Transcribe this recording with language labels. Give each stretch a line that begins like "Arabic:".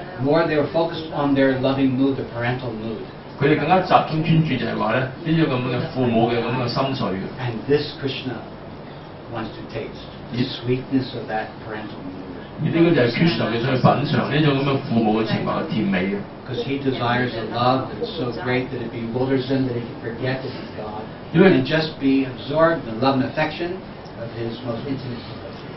English: More they were focused on their loving mood, the parental mood.
Cantonese: 佢哋更加集中專注就係話咧，呢個咁樣嘅父母嘅咁樣嘅心緒。
English: And this Krishna wants to taste the sweetness of that parental mood.
Cantonese: 而呢個就係 Krishna 佢想去品嚐呢種咁樣父母嘅情懷嘅甜美啊！
English: Because he desires a love that's so great that it bewilders him, that he can forget that he's God.
Cantonese: 因為
English: and just be absorbed in the love and affection of his most intimate devotees.